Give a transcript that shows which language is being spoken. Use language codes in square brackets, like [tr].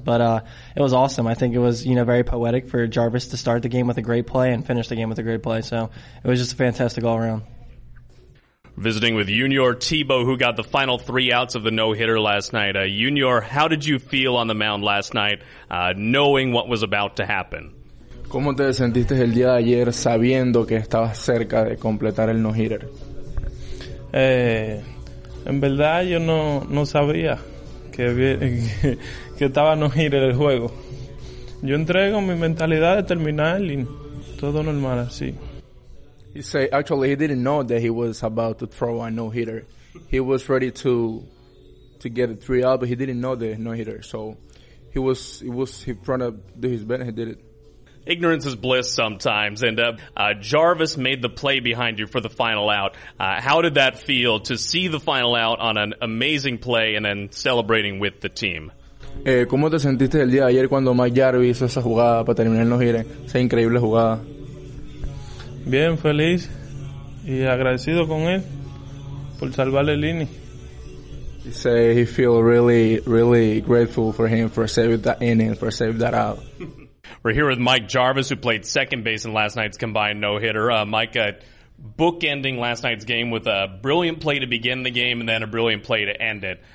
[en] But it was awesome. I think it was, you know, very poetic for Jarvis to start the game with a great play and finish the game with a great play. So it was just a fantastic all around. Visiting with Junior Tebow, who got the final three outs of the no-hitter last night. Junior, how did you feel on the mound last night, knowing what was about to happen? [es] ¿Cómo te sentiste el día de ayer sabiendo que estabas cerca de completar el no-hitter? En verdad yo no sabía que estaba no-hitter el juego. Yo entrego mi mentalidad de terminar y todo normal así. [en] He said, actually, he didn't know that he was about to throw a no-hitter. He was ready to get a three out, but he didn't know the no-hitter. So he was in front of do his best, and he did it. Ignorance is bliss sometimes. And Jarvis made the play behind you for the final out. How did that feel to see the final out on an amazing play and then celebrating with the team? [es] ¿Cómo te sentiste el día de ayer cuando Mike Jarvis hizo esa jugada para terminar el no-hitter? Esa increíble jugada. Bien, feliz y agradecido con él por salvarle el inning. [en] He said he feels really, really grateful for him for saving that inning, for saving that out. We're here with Mike Jarvis, who played second base in last night's combined no-hitter. Mike, bookending last night's game with a brilliant play to begin the game and then a brilliant play to end it.